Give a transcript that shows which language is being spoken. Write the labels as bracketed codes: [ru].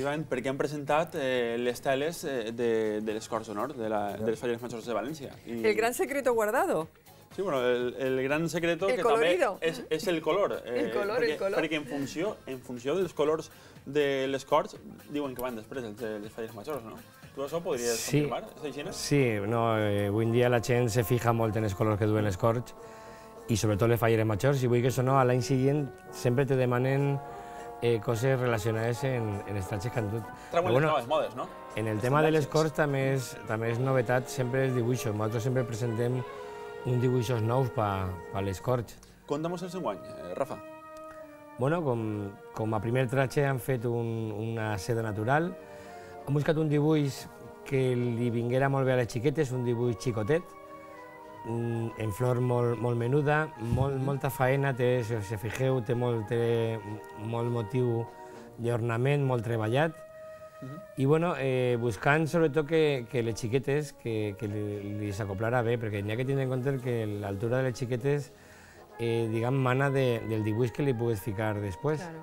[es] Efectivamente, porque han presentado [ca] les teles de les Corts d'Honor, de les Falles Majors de València. [es] El gran secreto guardado. Sí, bueno, el gran secreto el que colorido. También es el color. El color. Porque en función de los colores de les Corts, digo, en que van después de les Falles Majors, ¿no? ¿Tú eso podrías confirmar? [ca] Sí, avui en dia la gent se fija molt en els colors que duen els corts i sobretot les falleres majors, i vull que això no, a l'any siguient sempre te demanen coses relacionades en els trajes que han dut. Treuen les noves modes, no? En el tema de les corts també és novetat sempre els dibuixos. Nosaltres sempre presentem uns dibuixos nous per a les corts. Contamos els enguany, Rafa. Bueno, com a primer traje han fet una seda natural. Hem buscat un dibuix que li vinguera molt bé a les xiquetes, un dibuix xicotet, en flor molt menuda, molta faena, si us fijeu, té molt motiu d'ornament, molt treballat. I buscant sobretot que les xiquetes, que li s'acoplarà bé, perquè n'hi ha que tenir en compte que l'altura de les xiquetes mana del dibuix que li puguis ficar després.